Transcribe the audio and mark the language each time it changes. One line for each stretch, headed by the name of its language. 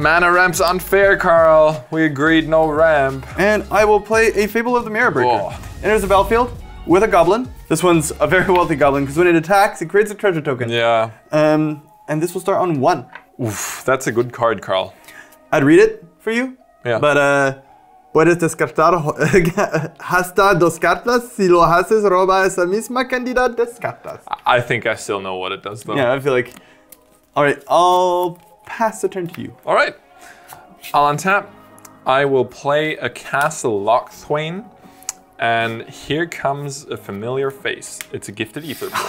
English: Mana ramp's unfair, Carl. We agreed no ramp. And I will play a Fable of the Mirror Breaker. Whoa. Enters the battlefield with a goblin. This one's a very wealthy goblin, because when it attacks, it creates a treasure token. Yeah. And this will start on 1. Oof, that's a good card, Carl. I'd read it for you. Yeah. But
Spanish: Puedes descartar hasta dos cartas si lo haces roba esa misma cantidad de cartas.
English: I think I still know what it does though. Yeah, I feel like... All right, I'll pass the turn to you. All right, I'll untap. I will play a castle Lochthwain, and here comes a familiar face. It's a gifted ether.